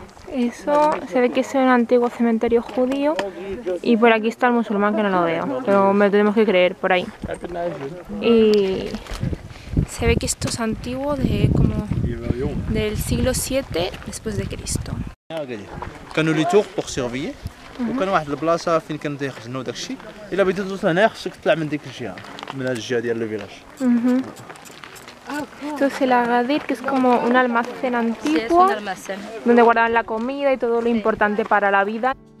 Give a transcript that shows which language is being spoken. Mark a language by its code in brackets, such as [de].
[es] Eso se ve que es un antiguo cementerio judío y por aquí está el musulmán que no lo veo, pero me tenemos que creer por ahí. Y se ve que esto es antiguo de como del siglo 7 después de Cristo. [fr] Quand le tour pour surveiller. [ar] وكان واحد البلاصه فين كانوا تيخزنوا داكشي الا بغيتي توصل هنا خصك تطلع من ديك الجهه من هاد الجهه ديال الفيلاج [es] Esto es el agadir, que es como un almacén antiguo donde guardan la comida y todo lo importante para la vida.